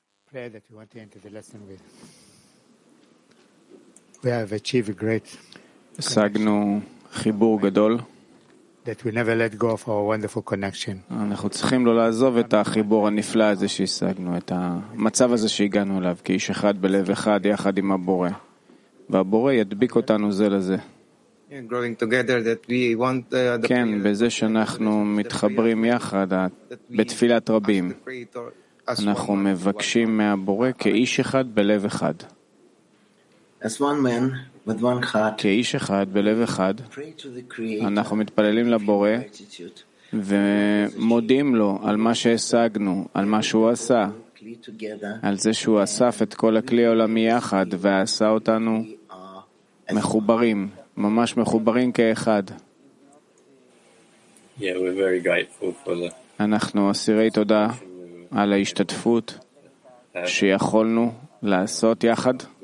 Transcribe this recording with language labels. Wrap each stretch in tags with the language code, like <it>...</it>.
<en>Prayer that you want to enter the lesson with. We have achieved a great</en> <he>השגנו חיבור גדול.</he> <en>That we never let go of our wonderful connection.</en> <he>אנחנו צריכים לא לעזוב את החיבור הנפלא הזה שהשגנו, את המצב הזה שהגענו אליו, כאיש אחד בלב אחד יחד עם הבורא. והבורא ידביק אותנו זה לזה. כן, בזה שאנחנו מתחברים יחד בתפילת רבים. אנחנו מבקשים מהבורא כאיש אחד בלב אחד.</he> <en>As one man with one heart,</en> <he>כאיש אחד בלב אחד,</he> <en>pray to the creator,</en> <he>אנחנו מתפללים לבורא ומודים לו על מה שהשגנו, על מה שהוא עשה, על זה שהוא אסף את כל הכלי העולמי יחד ועשה אותנו מחוברים, ממש מחוברים כאחד.</he> <en>Yeah, we're very grateful for that.</en> <he>אנחנו אסירי תודה על ההשתתפות שיכולנו לעשות יחד.</he>